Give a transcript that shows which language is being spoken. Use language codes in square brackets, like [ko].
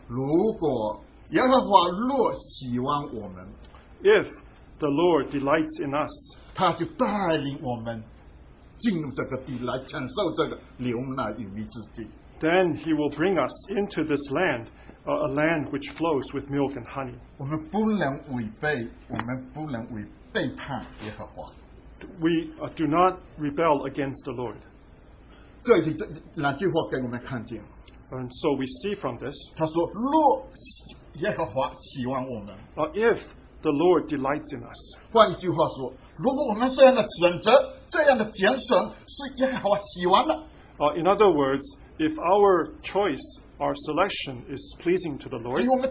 [zh] 如果耶和华若喜欢我们, [en] if the Lord delights in us, [zh] 他就带领我们, 进入这个地来承受这个流奶与蜜之地 [en] Then he will bring us into this land, a land which flows with milk and honey. [zh] 我们不能违背，我们不能违背叛耶和华。 [en] We do not rebel against the Lord. [zh] 这里这两句话给我们看见。 [en] And so we see from this. [zh] 他说，若耶和华喜欢我们。 [en] If the Lord delights in us. [zh] 换一句话说。如果我们这样的选择，这样的拣选是耶和华喜欢的。 [en] In other words, if our choice, our selection is pleasing to the Lord.